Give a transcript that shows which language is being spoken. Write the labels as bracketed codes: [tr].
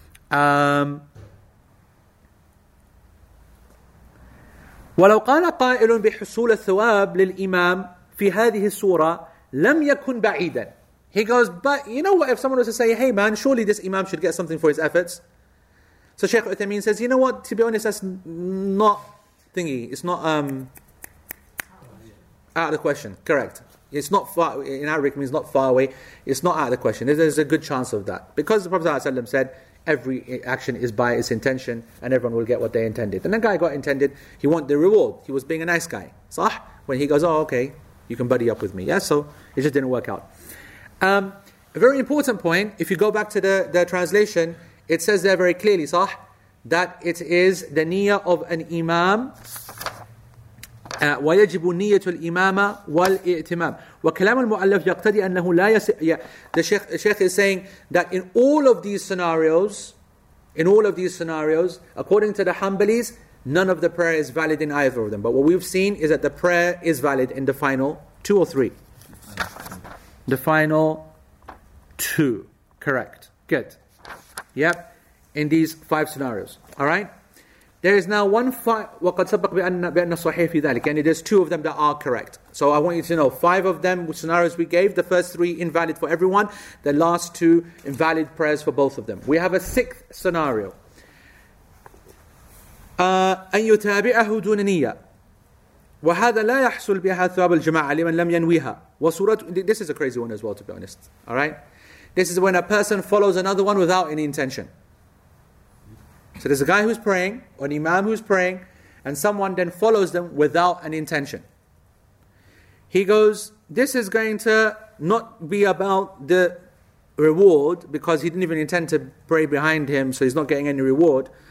[ar] ولو قال قائل بحصول الثواب للإمام في هذه السورة لم يكن بعيدا. [en] He goes, but you know what? If someone was to say, hey man, surely this imam should get something for his efforts. So Sheikh Uthaymeen says, you know what? To be honest, that's not thingy. It's not out of the question, correct. It's not far, in Arabic means not far away. It's not out of the question. There's a good chance of that. Because the Prophet ﷺ said, every action is by its intention, and everyone will get what they intended. And the guy got intended, he wanted the reward. He was being a nice guy. Sah? When he goes, oh, okay, you can buddy up with me. Yeah, so it just didn't work out. A very important point, if you go back to the translation, it says there very clearly, sah, that it is the niyyah of an imam. [ar] ويجب نية الإمامة والإئتمام وكلام المؤلف يقتضي أنه لا يس. [en] The Sheikh is saying that in all of these scenarios, according to the Hanbalis, none of the prayer is valid in either of them. But what we've seen is that the prayer is valid in the final two or three. The final two, correct? Good. Yep. In these five scenarios. All right. There is now one [ar] وقد سبق بأن الصحيح في ذلك. [en] And there's two of them that are correct. So I want you to know, five of them, which scenarios we gave, the first three invalid for everyone, the last two invalid prayers for both of them. We have a sixth scenario. [ar] أن يتابعه دون نية. وهذا لا يحصل بها ثواب الجماعة لمن لم ينويها. وصورة. [en] This is a crazy one as well, to be honest. All right? This is when a person follows another one without any intention. So there's a guy who's praying, or an imam who's praying, and someone then follows them without an intention. He goes, this is going to not be about the reward, because he didn't even intend to pray behind him, so he's not getting any reward.